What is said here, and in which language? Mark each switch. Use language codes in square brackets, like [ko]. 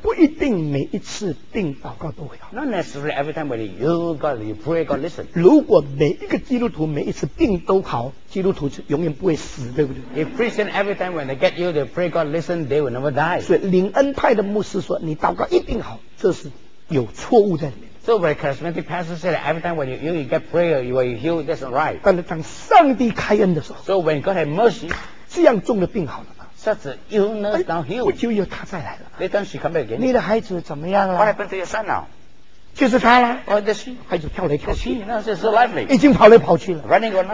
[zh] 不一定每一次病祷告都会好。 [en] Not necessarily every time when you God you pray God listen. [zh] 如果每一个基督徒每一次病都好，基督徒就永远不会死，对不对 [en] ？If Christian every time when they get ill they pray God listen they will never die. [zh] 所以灵恩派的牧师说，你祷告一定好，这是有错误在里面。 [en] So when a charismatic pastor said every time when you get prayer you are healed that's not right. [zh] 但是当上帝开恩的时候 [en] ，So when God had mercy， [zh] 这样重的病好了吗 [en] ？Such illness now healed。 [zh] 我就要他再来了。 [en] Later she come back again。 [zh] 你的孩子怎么样了 [en] ？What happened to your son now？ [zh] 就是他了。 [en] Oh, the she。 [zh] 孩子跳来跳去。 [en] The she now she's so lively。 [zh] 已经跑来跑去了。 [en] Running around。